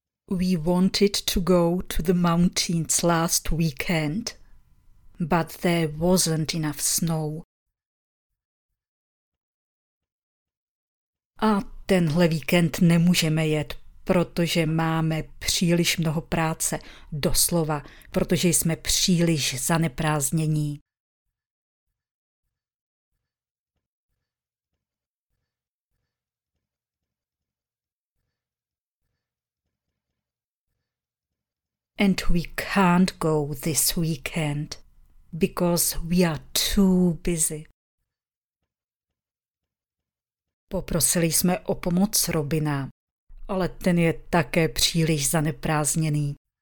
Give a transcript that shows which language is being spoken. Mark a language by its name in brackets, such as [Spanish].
[English] We wanted to go to the mountains last weekend, but there wasn't enough snow. [Czech] A tenhle víkend nemůžeme jet, protože máme příliš mnoho práce, doslova, protože jsme příliš zaneprázdnění. [English] And we can't go this weekend, because we are too busy. [Czech] Poprosili jsme o pomoc Robina, ale ten je také příliš zaneprázdněný.